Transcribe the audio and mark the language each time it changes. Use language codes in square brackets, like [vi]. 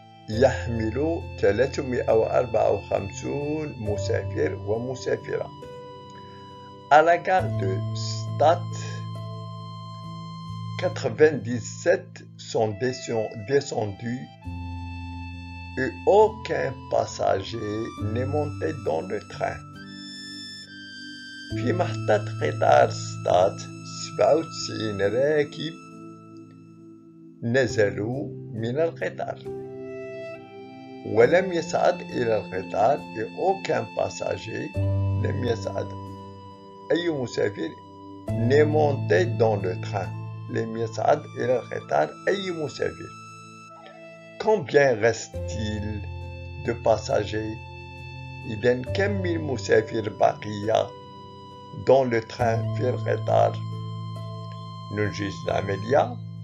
[ar] يحمل 354 مسافر ومسافرة. [fr] À la gare de Stade, 97 sont descendus et aucun passager n'est monté dans le train. [ar] في محطة قطار ستات 97 راكب نزلوا من القطار ولم يصعد إلى القطار [fr] et aucun passager [ar] لم يصعد. أي مسافر [fr] n'est monté dans le train. [ar] لم يصعد إلى القطار أي مسافر. [fr] Combien reste-t-il de passagers? [ar] إذن كم من مسافر بقي [fr] dans le train [ar] في القطار؟ ننجز العملية.